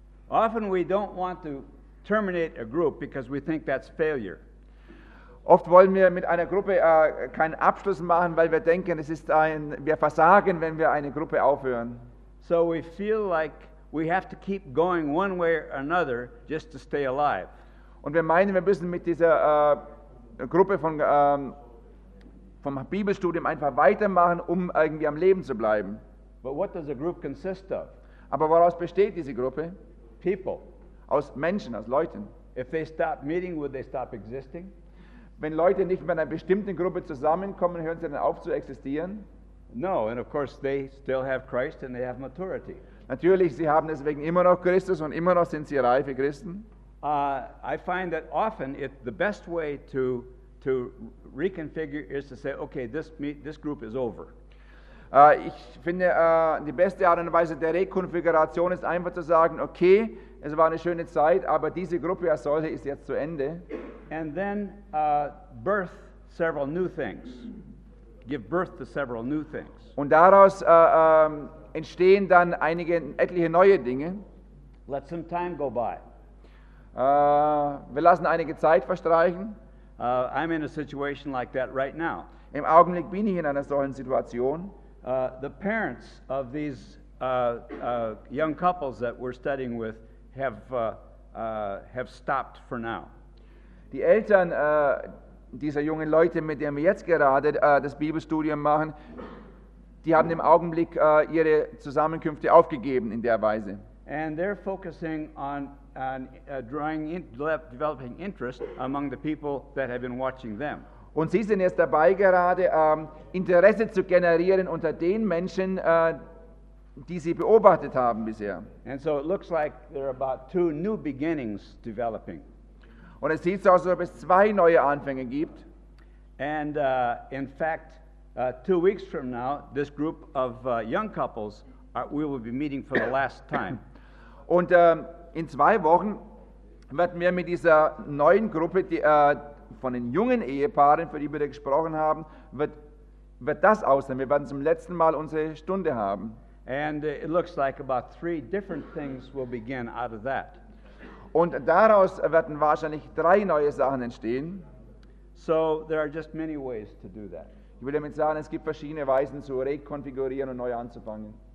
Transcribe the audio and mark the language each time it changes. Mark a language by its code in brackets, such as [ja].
[en] Often we don't want to terminate a group because we think that's failure. [de] Oft wollen wir mit einer Gruppe keinen Abschluss machen, weil wir denken, wir versagen, wenn wir eine Gruppe aufhören. [en] So we feel like we have to keep going one way or another just to stay alive. [de] Und wir meinen, wir müssen mit dieser Gruppe von vom Bibelstudium einfach weitermachen, um irgendwie am Leben zu bleiben. [en] But what does a group consist of? [de] Aber woraus besteht diese Gruppe? [en] People. [de] Aus Menschen, aus Leuten. [en] If they stop meeting, would they stop existing? [de] Wenn Leute nicht mehr in einer bestimmten Gruppe zusammenkommen, hören sie dann auf zu existieren? [en] No, and of course they still have Christ and they have maturity. [de] Natürlich, sie haben deswegen immer noch Christus und immer noch sind sie reife Christen. [en] I find that often the best way to reconfigure is to say, okay, this group is over. [de] Ich finde, die beste Art und Weise der Rekonfiguration ist einfach zu sagen, okay, es war eine schöne Zeit, aber diese Gruppe als solche ist jetzt zu Ende. [en] And then birth several new things. Give birth to several new things. [de] Und daraus entstehen dann etliche neue Dinge. [en] Let some time go by. [de] Wir lassen einige Zeit verstreichen. [en] I'm in a situation like that right now. [de] Im Augenblick bin ich in einer solchen Situation. [en] The parents of these young couples that we're studying with have stopped for now. [de] Die Eltern dieser jungen Leute, mit denen wir jetzt gerade das Bibelstudium machen, die haben im Augenblick ihre Zusammenkünfte aufgegeben in der Weise. [en] And they're focusing on developing interest among the people that have been watching them. [de] Und sie sind jetzt dabei gerade Interesse zu generieren unter den Menschen, die sie beobachtet haben bisher. [en] And so it looks like there are about two new beginnings developing. [de] Und es sieht so aus, als ob es zwei neue Anfänge gibt. [en] And in fact, 2 weeks from now, this group of young couples we will be meeting for the last time. [de] Und in 2 Wochen werden wir mit dieser neuen Gruppe, die von den jungen Ehepaaren, für die wir gesprochen haben, wird das aussehen. Wir werden zum letzten Mal unsere Stunde haben. [en] And it looks like about 3 different things will begin out of that. [de] Und daraus werden wahrscheinlich 3 neue Sachen entstehen. [en] So there are just many ways to do that. [de] Ich will damit sagen, es gibt verschiedene Weisen zu rekonfigurieren und neu anzufangen.